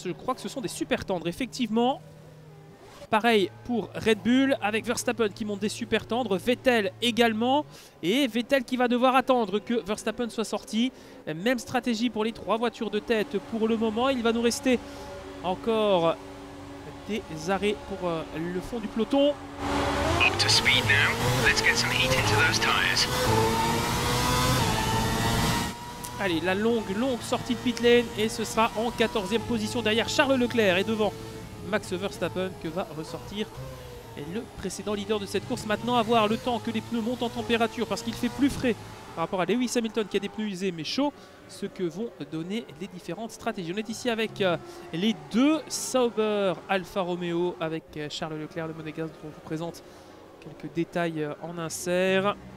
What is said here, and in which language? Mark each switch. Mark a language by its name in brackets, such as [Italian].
[French] Je crois que ce sont des super tendres, effectivement. Pareil pour Red Bull avec Verstappen qui monte des super tendres, Vettel également et Vettel qui va devoir attendre que Verstappen soit sorti. Même stratégie pour les trois voitures de tête pour le moment. Il va nous rester encore des arrêts pour le fond du peloton. [English] Up to speed now. Let's get some heat into those tires. [French] Allez, la longue, longue sortie de pit lane et ce sera en 14e position derrière Charles Leclerc et devant Max Verstappen que va ressortir et le précédent leader de cette course. Maintenant, à voir le temps que les pneus montent en température parce qu'il fait plus frais par rapport à Lewis Hamilton qui a des pneus usés mais chauds, ce que vont donner les différentes stratégies. On est ici avec les deux Sauber Alfa Romeo avec Charles Leclerc, le monégasque, dont on vous présente quelques détails en insert.